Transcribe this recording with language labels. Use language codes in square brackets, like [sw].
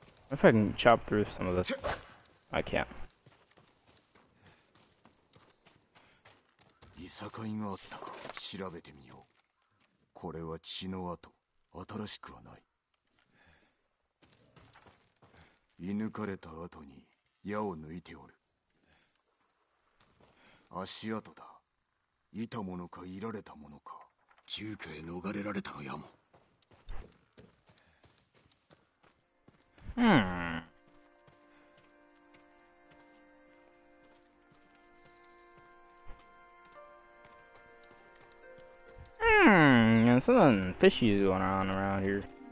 [en] If I can chop through some of this, I can't. [ja] いさかいがあったか、調べてみよう。これは血の跡、新しくはない。射抜かれた後に矢を抜いておる。足跡だ。いたものかいられたものか、住居へ逃れられたのやも。 [en] And something fishy is going on around here.